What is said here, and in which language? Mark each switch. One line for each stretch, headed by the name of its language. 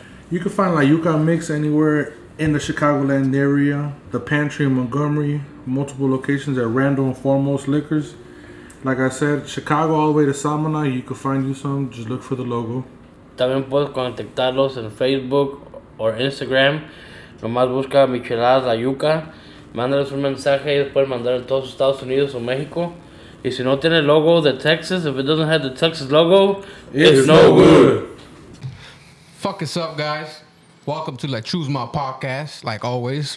English: You can find La Yuca Mix anywhere in the Chicagoland area, the Pantry in Montgomery, multiple locations at Randall and Foremost Liquors. Like I said, Chicago all the way to Samana, you can find you some, just look for the logo.
Spanish: También puedes contactarlos en Facebook or Instagram. Nomás busca Michelad La Yuca. Mándales un mensaje y después mandar a todos Estados Unidos o México. Y si no tiene el logo de Texas,
English: if it doesn't have the Texas logo, it's no good. Fuck us up, guys. Welcome to like Choose My Podcast, like always.